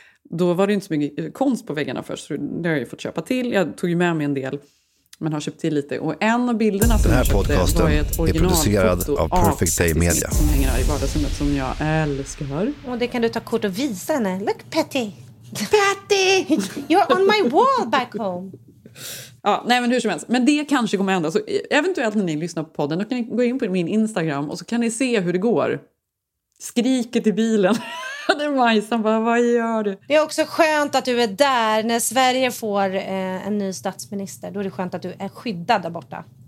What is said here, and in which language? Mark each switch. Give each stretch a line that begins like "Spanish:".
Swedish: Då var det inte så mycket konst på väggarna först. Så det har jag ju fått köpa till. Jag tog ju med mig en del, men har köpt till lite. Och en av bilderna som jag köpte var ett original är producerad foto av Perfect Day Media. Som hänger här i vardagsrummet som jag älskar. Och det kan du ta kort och visa henne.
English: Look, Patty! Patty! You're on my wall back home!
Swedish: Ja, nej, men hur som helst. Men det kanske kommer ändå. Så eventuellt när ni lyssnar på podden, då kan ni gå in på min Instagram och så kan ni se hur det går. Skriket i bilen. Det är Majsan bara, vad gör du? Det är också skönt att du är där. När Sverige får en ny statsminister, då är det skönt att du är skyddad där borta.